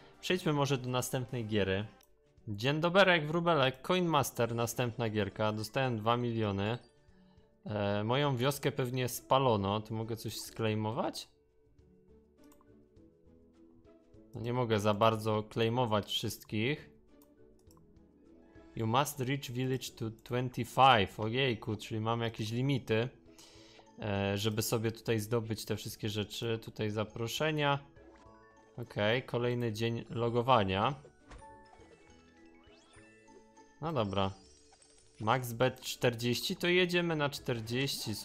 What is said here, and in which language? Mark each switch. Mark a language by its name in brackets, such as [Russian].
[Polish] Przejdźmy może do następnej giery. Dzień doberek, wróbelek, Coin Master, następna gierka. Dostałem 2 miliony. Moją wioskę pewnie spalono. Tu mogę coś sklejmować? No nie mogę za bardzo klejmować wszystkich. [English] You must reach village to 25. [Polish] Ojejku, czyli mam jakieś limity, żeby sobie tutaj zdobyć te wszystkie rzeczy. Tutaj zaproszenia. Okej, okay, kolejny dzień logowania. No dobra. Max bet 40, to jedziemy na 40.